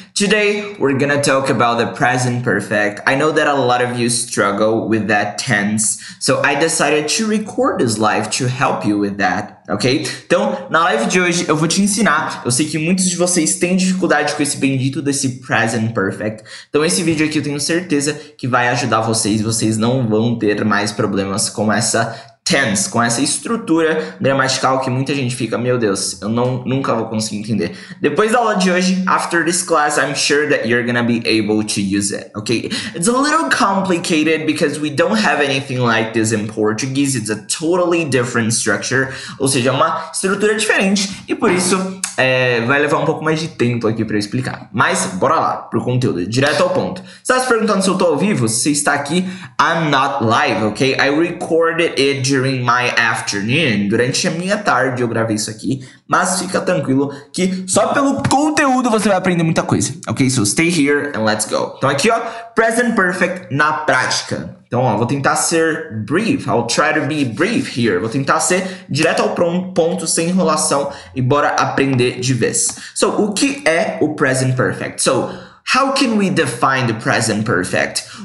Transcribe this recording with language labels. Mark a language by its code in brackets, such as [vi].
[en] Today, we're gonna talk about the present perfect. I know that a lot of you struggle with that tense, so I decided to record this live to help you with that, ok? [pt] Então, na live de hoje, eu vou te ensinar. Eu sei que muitos de vocês têm dificuldade com esse bendito desse present perfect. Então, esse vídeo aqui, eu tenho certeza que vai ajudar vocês. Vocês não vão ter mais problemas com essa tense, com essa estrutura gramatical que muita gente fica, meu Deus, eu nunca vou conseguir entender. Depois da aula de hoje, [en] after this class, I'm sure that you're gonna be able to use it, okay? It's a little complicated because we don't have anything like this in Portuguese. It's a totally different structure, [pt] ou seja, uma estrutura diferente, e por isso vai levar um pouco mais de tempo aqui pra eu explicar. Mas bora lá pro conteúdo, direto ao ponto. Você tá se perguntando se eu tô ao vivo? Se você está aqui, [en] I'm not live, okay? I recorded it during my afternoon, [pt] durante a minha tarde eu gravei isso aqui, mas fica tranquilo que só pelo conteúdo você vai aprender muita coisa, ok? [en] So stay here and let's go. [pt] Então aqui ó, present perfect na prática. Então ó, vou tentar ser brief, [en] I'll try to be brief here, [pt] vou tentar ser direto ao ponto, sem enrolação, e bora aprender de vez. So, o que é o present perfect? [en] So, how can we define the present perfect?